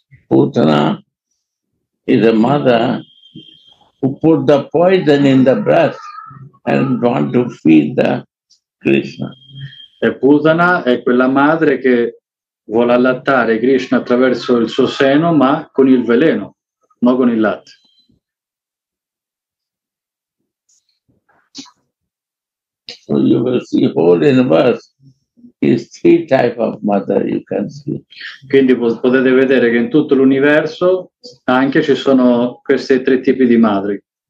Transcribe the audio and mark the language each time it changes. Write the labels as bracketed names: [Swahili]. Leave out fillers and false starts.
[English] Putana is a mother who put the poison in the breast and want to feed the Krishna. [Italian] E Putana è quella madre che vuole allattare Krishna attraverso il suo seno, ma con il veleno, non con il latte. [English] So you will see whole universe is three type of mother you can see. [Italian] Quindi potete vedere che in tutto l'universo anche ci sono questi tre tipi di madri.